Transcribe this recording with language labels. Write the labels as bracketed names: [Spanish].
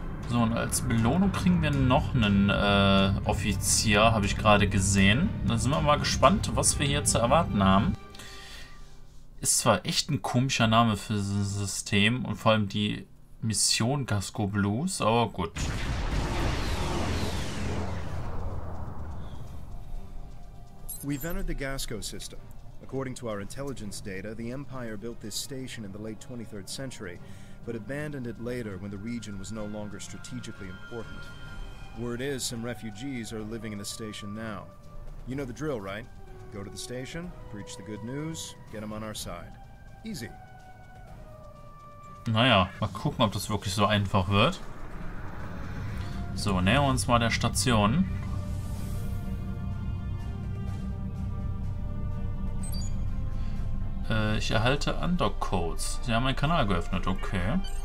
[German] So, und als Belohnung kriegen wir noch einen Offizier, habe ich gerade gesehen. Da sind wir mal gespannt, was wir hier zu erwarten haben. Ist zwar echt ein komischer Name für das System und vor allem die Mission Gasco Blues, aber gut. [English] We've entered the Gasco system. According to our intelligence data, the Empire built this station in the late 23rd century. But abandoned it later when the region was no longer strategically important. Word is, some refugees are living in the station now. You know the drill, right? Go to the station, preach the good news, get them on our side. Easy. [German] Naja, mal gucken, ob das wirklich so einfach wird. So, nähern wir uns mal der Station. Ich erhalte Undock-Codes. Sie haben einen Kanal geöffnet, okay.